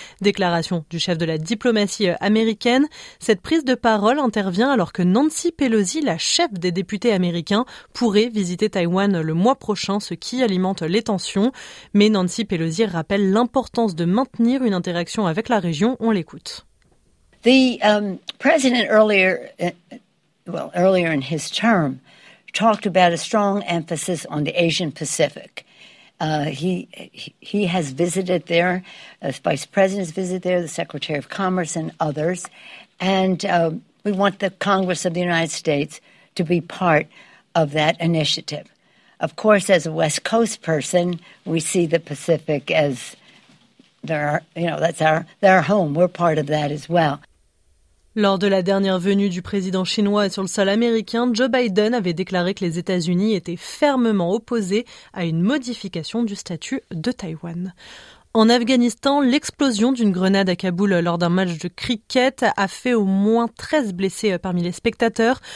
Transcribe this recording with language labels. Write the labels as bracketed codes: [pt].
[fr] Déclaration du chef de la diplomatie américaine. Cette prise de parole intervient alors que Nancy Pelosi, la chef des députés américains, pourrait visiter Taïwan le mois prochain, ce qui alimente les tensions. Mais Nancy Pelosi rappelle l'importance de maintenir une interaction avec la région. On l'écoute. [en] Earlier in his term, talked about a strong emphasis on the Asian Pacific. He has visited there, the vice president has visited there, the secretary of commerce and others, and we want the Congress of the United States to be part of that initiative. Of course, as a West Coast person, we see the Pacific as their home. We're part of that as well. [fr] Lors de la dernière venue du président chinois sur le sol américain, Joe Biden avait déclaré que les États-Unis étaient fermement opposés à une modification du statut de Taïwan. En Afghanistan, l'explosion d'une grenade à Kaboul lors d'un match de cricket a fait au moins 13 blessés parmi les spectateurs.